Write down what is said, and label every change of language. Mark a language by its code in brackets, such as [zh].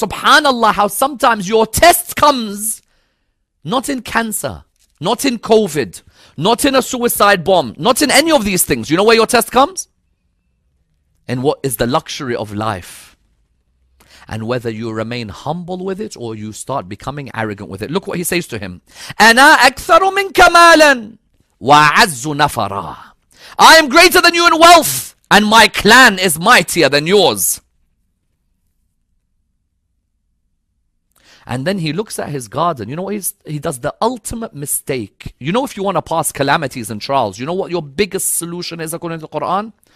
[en] Subhanallah, how sometimes your test comes not in cancer, not in COVID, not in a suicide bomb, not in any of these things. You know where your test comes? In what is the luxury of life. And whether you remain humble with it or you start becoming arrogant with it. Look what he says to him. [ar] أَنَا أَكْثَرُ مِنْ كَمَالًا وَعَزُّ نَفَرًا. [en] I am greater than you in wealth. And my clan is mightier than yours. And then he looks at his garden. You know what he does? The ultimate mistake. You know, if you want to pass calamities and trials, you know what your biggest solution is according to the Quran?